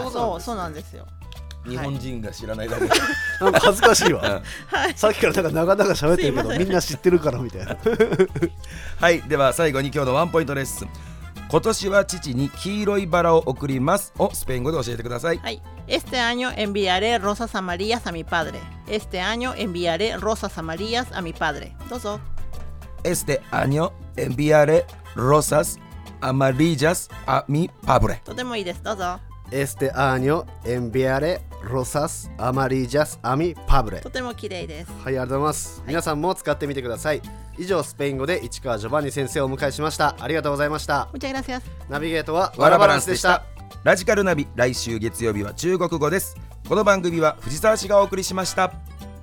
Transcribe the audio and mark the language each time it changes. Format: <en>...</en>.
<ja>だからそうなんですよ。日本人が知らないだけ、はい、なんか恥ずかしいわ、うん、はい、さっきからなんか長々喋ってるけどみんな知ってるからみたいなはい、では最後に今日のワンポイントレッスン、今年は父に黄色いバラを贈りますをスペイン語で教えてください。</ja> <es>はい、Este año enviaré rosas amarillas a mi padre. Este año enviaré rosas amarillas a mi padre.</es> <ja>どうぞ。</ja> <es>Este año enviaré rosas amarillas a mi padre.</es> <ja>とてもいいです、どうぞ。</ja> <es>Este año enviaré rosas amarillas a mi padre.</es> <ja>とても綺麗です。はい、ありがとうございます。はい、皆さんも使ってみてください。以上、スペイン語で市川ジョバンニ先生をお迎えしました。ありがとうございました。</ja> <es>Muchas gracias.</es> <ja>ナビゲートはワラバランスでした。ラジカルナビ、来週月曜日は中国語です。この番組は藤沢氏がお送りしました。</ja>